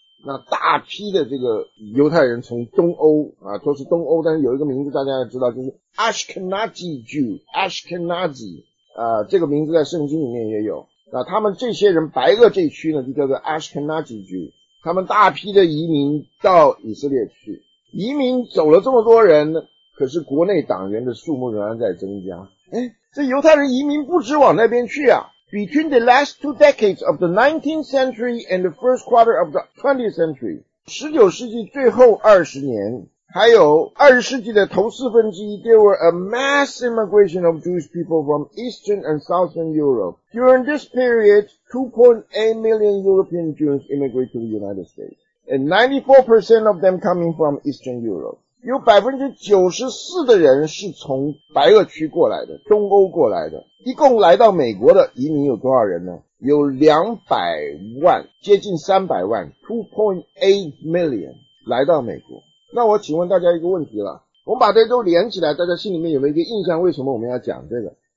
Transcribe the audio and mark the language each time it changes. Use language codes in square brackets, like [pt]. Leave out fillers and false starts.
[zh] 那大批的这个犹太人从东欧啊，都是东欧，但是有一个名字大家要知道，就是 Ashkenazi Jew， Ashkenazi这个名字在圣经里面也有。那他们这些人白俄这区呢就叫做 Ashkenazi Jew， 他们大批的移民到以色列去，移民走了这么多人，可是国内党员的数目仍然在增加。这犹太人移民不止往那边去啊。 [en] Between the last two decades of the 19th century and the first quarter of the 20th century， [zh] 19世纪最后20年还有20世纪的头四分之一， [en] There were a mass immigration of Jewish people from Eastern and Southern Europe. During this period, 2.8 million European Jews immigrated to the United States, and 94% of them coming from Eastern Europe. [zh] 有 94% 的人是从白俄区过来的，东欧过来的。一共来到美国的移民有多少人呢？有200万，接近300万 2.8 million 来到美国。那我请问大家一个问题了，我们把这些都连起来，大家心里面有没有一个印象，为什么我们要讲这个？